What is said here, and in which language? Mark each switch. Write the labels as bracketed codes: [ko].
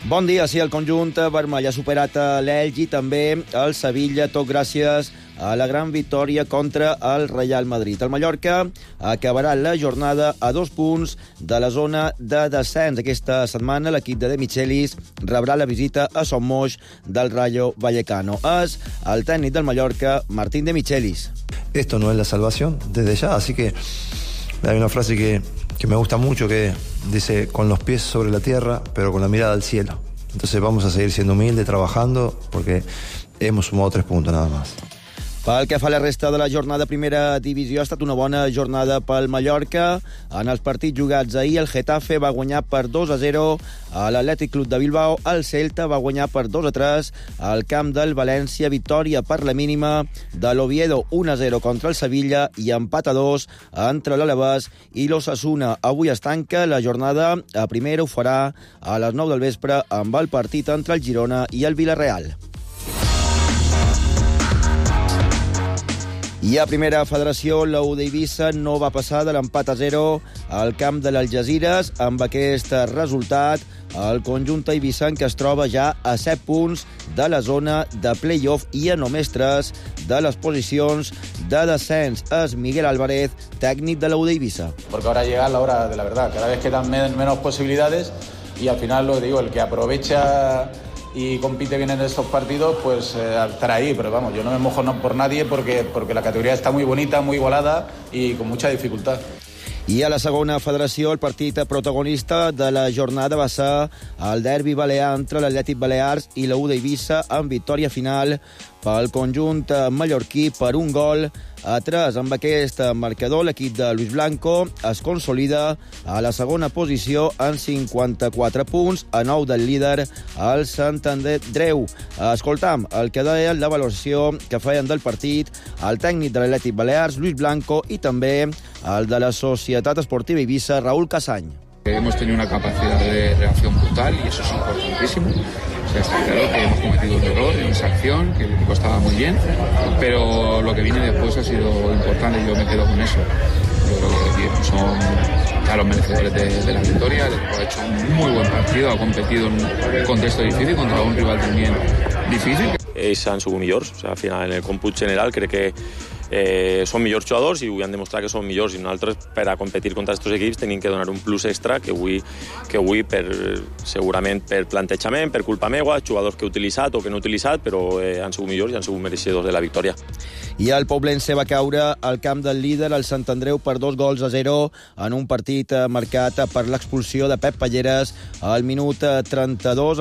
[ca] Bon dia, sí, el conjunt vermell ha superat l'Elgi, també el Sevilla, tot gràcies a la gran victòria contra el Real Madrid. El Mallorca acabarà la jornada a 2 punts de la zona de descens. Aquesta setmana l'equip de Demichelis rebrà la visita a Son Moix del Rayo Vallecano. És el tècnic del Mallorca, Martín Demichelis. [es] Esto no es la salvación desde ya, así que hay una frase que me gusta mucho que dice, con los pies sobre la tierra, pero con la mirada al cielo. Entonces vamos a seguir siendo humildes, trabajando, porque hemos sumado 3 puntos nada más. [ca] Pel que fa a la resta de la jornada primera divisió, ha estat una bona jornada pel Mallorca. En els partits jugats ahir, el Getafe va guanyar per 2-0 a l'Atlètic Club de Bilbao, el Celta va guanyar per 2-3 al camp del València, victòria per la mínima de l'Oviedo, 1-0 contra el Sevilla i empat a 2 entre l'Alavés i l'Osasuna. Avui es tanca la jornada, a primera ho farà a les 9 del vespre amb el partit entre el Girona i el Villarreal. I a primera federació, la U d'Eivissa no va passar de l'empat a 0 al camp de l'Algesires. Amb aquest resultat, el conjunt eivissenc es troba ja a 7 punts de la zona de play-off i a només 3 de les posicions de descens. És Miguel Álvarez, tècnic de la U d'Eivissa. [es] Porque ahora llega la hora de la verdad. Cada vez quedan menos posibilidades y al final, lo digo, el que aprovecha y compite bien en estos partidos, pues estará ahí. Pero vamos, yo no me mojo por nadie porque la categoría está muy bonita, muy igualada y con mucha dificultad. [ca] I a la segona federació, el partit protagonista de la jornada va ser el derbi balear entre l'Atlètic Balears i la U d'Eivissa, amb victòria final pel conjunt mallorquí per 1-3. Amb aquest marcador, l'equip de Luis Blanco es consolida a la segona posició en 54 punts, a 9 del líder, el Sant Andreu. Escoltam el que deia la valoració que feien del partit el tècnic de l'Atlètic Balears, Luis Blanco, i també el de la Societat Esportiva Eivissa, Raúl Casany. [es] Hemos tenido una capacidad de reacción brutal y eso es importantísimo. O sea, está claro que hemos cometido un error en esa acción, que el equipo estaba muy bien, pero lo que viene después ha sido importante y yo me quedo con eso. Yo creo que bien, son a los merecedores de la victoria. El equipo ha hecho un muy buen partido, ha competido en un contexto difícil contra un rival también difícil. Ellos han sido mejores, o sea, al final en el cómputo general creo que [ca] són millors jugadors i avui han demostrat que són millors, i nosaltres per a competir contra aquests equips tenim que donar un plus extra que avui per, segurament per plantejament, per culpa meva, jugadors que he utilitzat o que no he utilitzat, però han sigut millors i han sigut mereixedors de la victòria. I el Poblense va caure al camp del líder, el Sant Andreu, per 2-0 en un partit marcat per l'expulsió de Pep Palleres al minut 32.